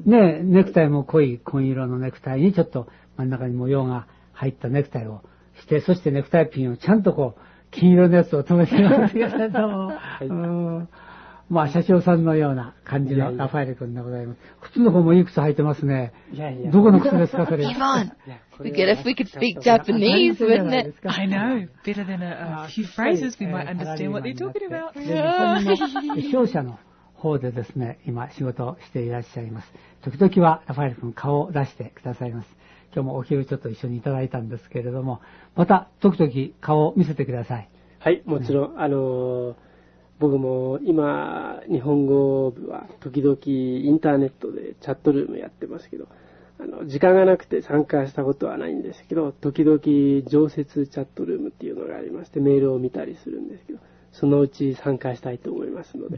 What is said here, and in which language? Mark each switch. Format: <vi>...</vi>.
<ja>ね、ネクタイも濃い紺色のネクタイに、ちょっと真ん中に模様が入ったネクタイをして、そしてネクタイピンをちゃんとこう、金色のやつを留めてますけれども。はい、まあ、社長さんのような感じのラファエル君でございます。靴の方もいい靴履いてますね。いやいや、どこの靴ですか、それ。</ja> <en>イヴァン、we get if we could speak Japanese, wouldn't it? I know. Better than a few phrases, we might understand what they're talking about.</en> <ja>商社の方でですね、今仕事をしていらっしゃいます。時々はラファエル君顔を出してくださいます。今日もお昼ちょっと一緒にいただいたんですけれども、また時々顔を見せてください。はい、もちろん、僕も今日本語部は時々インターネットでチャットルームやってますけど、時間がなくて参加したことはないんですけど、時々常設チャットルームっていうのがありまして、メールを見たりするんですけど、そのうち参加したいと思いますので、</ja>